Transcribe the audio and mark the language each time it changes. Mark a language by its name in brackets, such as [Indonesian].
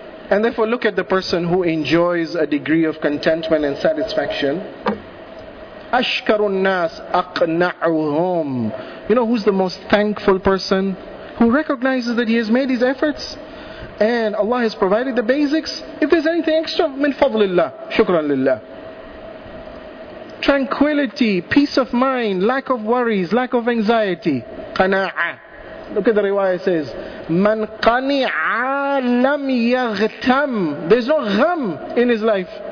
[English] And therefore, look at the person who enjoys a degree of contentment and satisfaction. [Arabic] أَشْكَرُ النَّاسِ أَقْنَعُهُمْ. [English] You know who's the most thankful person? Who recognizes that he has made his efforts and Allah has provided the basics. If there's anything extra, [Arabic] مِنْ فَضْلِ اللَّهِ شُكْرًا لِلَّهِ. [English] Tranquility, peace of mind, lack of worries, lack of anxiety. Qana'a. Look at the riwayah says, [Arabic] Man qani'a lam yaghtam. [English] There's no gham in his life.